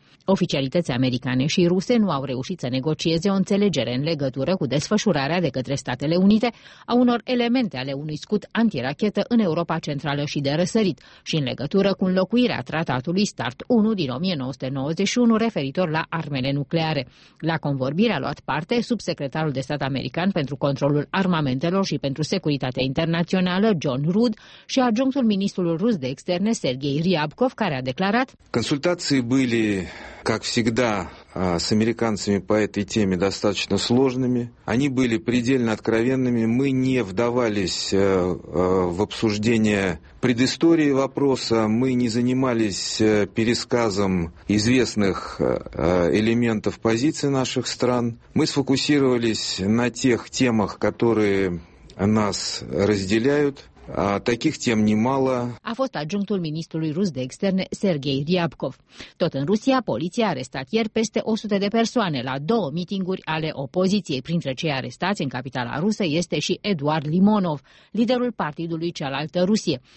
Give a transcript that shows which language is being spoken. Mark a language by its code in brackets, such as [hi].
[ro] Oficialități americane și ruse nu au reușit să negocieze o înțelegere în legătură cu desfășurarea de către Statele Unite a unor elemente ale unui scut antirachetă în Europa Centrală și de răsărit și în legătură cu înlocuirea tratatului START 1 din 1991 referitor la armele nucleare. La convorbire a luat parte subsecretarul de stat american pentru controlul armamentelor și pentru securitatea internațională John Rudd și adjunctul ministrului rus de externe Sergei Ryabkov, care a declarat: [ru] Consultații были как всегда с американцами по этой теме достаточно сложными. Они были предельно откровенными. Мы не вдавались в обсуждение предыстории вопроса, мы не занимались пересказом известных элементов позиций наших стран. Мы сфокусировались на тех темах, которые нас разделяют. Таких тем немало. [ro] A fost adjunctul ministrului rus de externe Sergei Ryabkov. Tot în Rusia, poliția a arestat ieri peste 100 de persoane la două mitinguri ale opoziției. Printre cei arestați în capitala rusă este și Eduard Limonov, liderul partidului Cealaltă Rusie.